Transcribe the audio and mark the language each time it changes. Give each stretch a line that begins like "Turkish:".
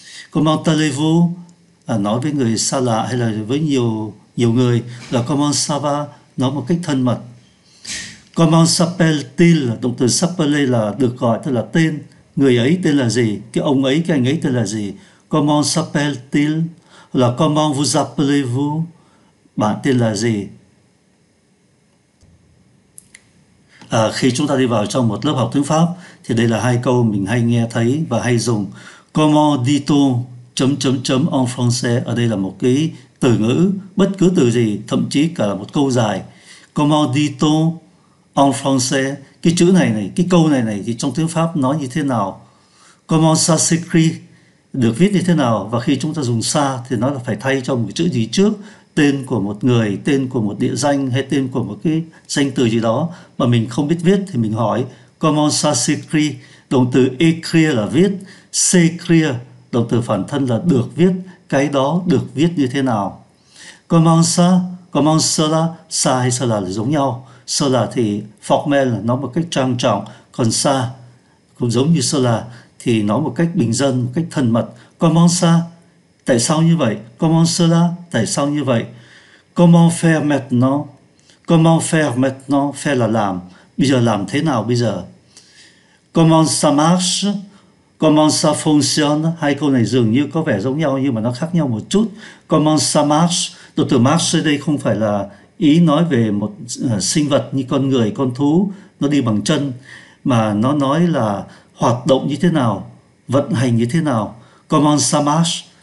French: Comment allez-vous
Vietnamese: là nói với người xa lạ hay là với nhiều nhiều người là
French: comment ça va
Vietnamese: nói một cách thân mật.
French: Comment s'appelle-t-il,
Vietnamese: động từ s'appeler là được gọi tức là tên. Người ấy tên là gì? Cái ông ấy, cái anh ấy tên là gì?
French: Comment s'appelle-t-il là comment vous appelez-vous?
Vietnamese: Bạn tên là gì? Khi chúng ta đi vào trong một lớp học tiếng Pháp thì đây là hai câu mình hay nghe thấy và hay dùng.
French: Comment dit-on
Vietnamese: chấm chấm chấm
French: en français?
Vietnamese: Ở đây là một cái từ ngữ, bất cứ từ gì, thậm chí cả là một câu dài.
French: Comment dit-on en français?
Vietnamese: Cái chữ này này, cái câu này này thì trong tiếng Pháp nói như thế nào?
French: Comment ça s'écrit?
Vietnamese: Được viết như thế nào? Và khi chúng ta dùng ça thì nó là phải thay cho một chữ gì trước? Tên của một người, tên của một địa danh hay tên của một cái danh từ gì đó mà mình không biết viết thì mình hỏi
French: comment ça s'écrit,
Vietnamese: động từ écrire là viết, s'écrire động từ phản thân là được viết, cái đó được viết như thế nào?
French: Comment ça, comment cela,
Vietnamese: ça hay cela là giống nhau. Cela thì formal là nói một cách trang trọng, còn ça cũng giống như cela thì nói một cách bình dân, một cách thân mật.
French: Comment ça,
Vietnamese: tại sao như vậy?
French: Comment cela,
Vietnamese: tại sao như vậy?
French: Comment faire maintenant? Comment faire maintenant?
Vietnamese: Faire là làm. Bây giờ làm thế nào bây giờ?
French: Comment ça marche? Comment ça fonctionne?
Vietnamese: Hai câu này dường như có vẻ giống nhau nhưng mà nó khác nhau một chút.
French: Comment ça marche?
Vietnamese: Đột từ marche đây không phải là ý nói về một sinh vật như con người, con thú, nó đi bằng chân, mà nó nói là hoạt động như thế nào, vận hành như thế nào. Comment ça marche?